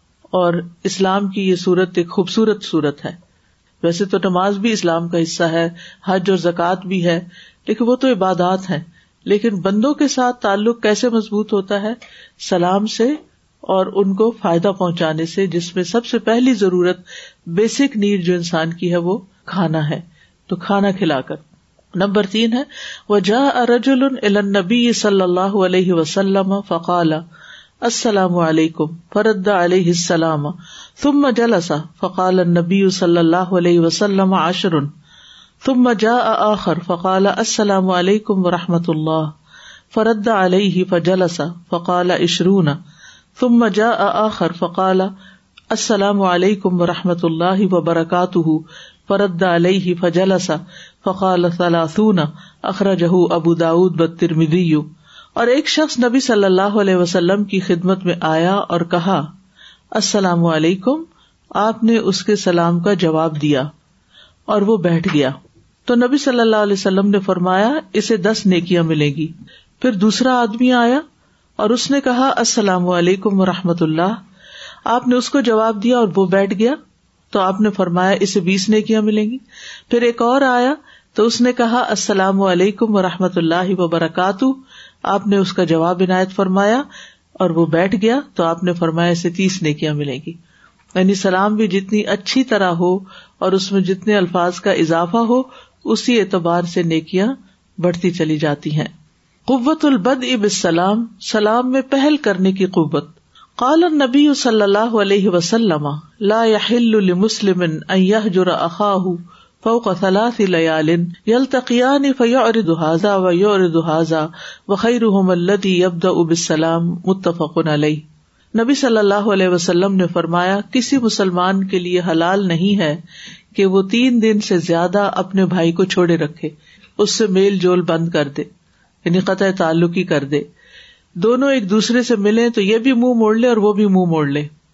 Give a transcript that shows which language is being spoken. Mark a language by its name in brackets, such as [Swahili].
[Urdu] اور اسلام کی یہ صورت ایک خوبصورت صورت ہے. ویسے تو نماز بھی اسلام کا حصہ ہے، حج اور زکوٰۃ بھی ہے، لیکن وہ تو عبادات ہیں. لیکن بندوں کے ساتھ تعلق کیسے مضبوط ہوتا ہے؟ سلام سے، اور ان کو فائدہ پہنچانے سے، جس میں سب سے پہلی ضرورت، بیسک نیڈ جو انسان کی ہے، وہ کھانا ہے. تو کھانا کھلا کر. [Arabic] نمبر 3 ہے، وجاء رجل الى النبي صلى الله عليه وسلم فقال السلام عليكم، فرد عليه السلام ثم جلس، فقال النبي صلى الله عليه وسلم 10، ثم جاء آخر فقال السلام علیکم ورحمت اللہ، فرد علیہ فجلس فقال 20، ثم جاء آخر فقال السلام علیکم ورحمت اللہ وبرکاتہ، فرد علیہ فجلس فقال 30، اخرجہ ابو داود والترمذی. [Urdu] اور ایک شخص نبی صلی اللہ علیہ وسلم کی خدمت میں آیا اور کہا السلام علیکم، آپ نے اس کے سلام کا جواب دیا اور وہ بیٹھ گیا. تو نبی صلی اللہ علیہ وسلم نے فرمایا، اسے 10 نیکیاں ملیں گی. پھر دوسرا آدمی آیا اور اس نے کہا السلام علیکم ورحمۃ اللہ، آپ نے اس کو جواب دیا اور وہ بیٹھ گیا، تو آپ نے فرمایا اسے 20 نیکیاں ملیں گی. پھر ایک اور آیا تو اس نے کہا السلام علیکم ورحمۃ اللہ وبرکاتہ، آپ نے اس کا جواب عنایت فرمایا اور وہ بیٹھ گیا، تو آپ نے فرمایا اسے 30 نیکیاں ملیں گی. یعنی سلام بھی جتنی اچھی طرح ہو اور اس میں جتنے الفاظ کا اضافہ ہو، اسی اعتبار سے نیکیاں بڑھتی چلی جاتی ہیں. [Arabic] قوۃ البدء بالسلام، [Urdu] سلام میں پہل کرنے کی قوت. [Arabic] قال النبی صلی اللہ علیہ وسلم لا يحل لمسلم ان يهجر اخاه فوق ثلاث ليال يلتقيان فيعرض هذا ويعرض هذا وخيرهم الذي يبدأ بالسلام متفق عليه. [Urdu] نبی صلی اللہ علیہ وسلم نے فرمایا کسی مسلمان کے لیے حلال نہیں ہے کہ وہ تین دن سے زیادہ اپنے بھائی کو چھوڑے رکھے، اس سے میل جول بند کر دے، یعنی قطع تعلق ہی کر دے، دونوں ایک دوسرے سے ملیں تو یہ بھی منہ موڑ لے اور وہ بھی منہ موڑ لے.